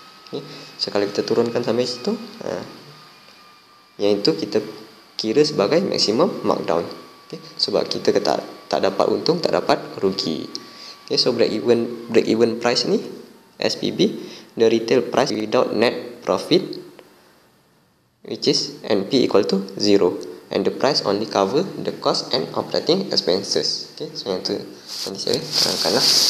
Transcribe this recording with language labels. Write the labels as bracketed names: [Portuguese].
[Malay] Okay, so kalau kita turunkan sampai situ, ha, yang itu kita kira sebagai maksimum markdown. Okay, sebab kita tak dapat untung, tak dapat rugi. [English] Okay, so break even price ni SPB, the retail price without net profit, which is NP equal to 0, and the price only cover the cost and operating expenses. [Malay] Okay, so yang tu nanti saya terangkan lah.